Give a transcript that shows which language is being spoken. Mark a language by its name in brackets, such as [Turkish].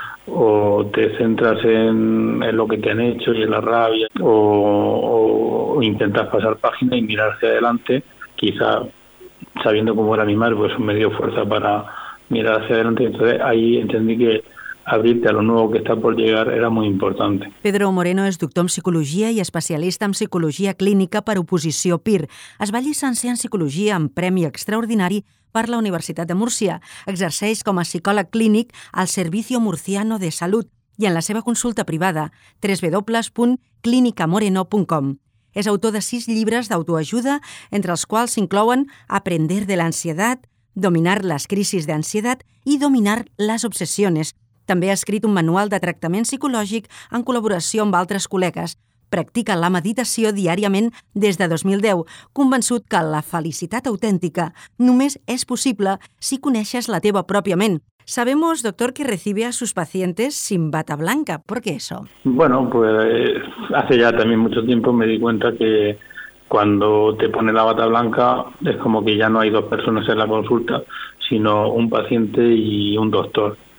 [Spanish] O te centras en lo que te han hecho y en la rabia, o intentas pasar página y mirar hacia adelante, quizá sabiendo cómo era mi madre, pues me dio fuerza para mirar hacia adelante. Entonces ahí entendí que abrirte a lo nuevo que está por llegar era muy importante. Pedro Moreno es doctor en psicología y especialista en psicología clínica [Catalan] per oposició [Spanish] PIR. [Catalan] Es va llicenciar en psicologia amb premi extraordinari per la Universitat de Múrcia. Exerceix com a psicòleg clínic al Servicio Murciano de Salut i en la seva consulta privada, www.clinicamoreno.com. És autor de 6 llibres d'autoajuda, entre els quals s'inclouen Aprender de la ansiedad, Dominar les crisis d'ansietat i Dominar les obsessions. També ha escrit un manual de tractament psicològic en col·laboració amb altres col·legues. Practica la meditació diàriament des de 2010, convençut que la felicitat autèntica només és possible si coneixes la teva pròpia ment. [Spanish] Sabemos, doctor, que recibe a sus pacientes sin bata blanca. ¿Por qué eso? Bueno, pues hace ya también mucho tiempo me di cuenta que cuando te pone la bata blanca es como que ya no hay 2 personas en la consulta, sino un paciente y un doctor.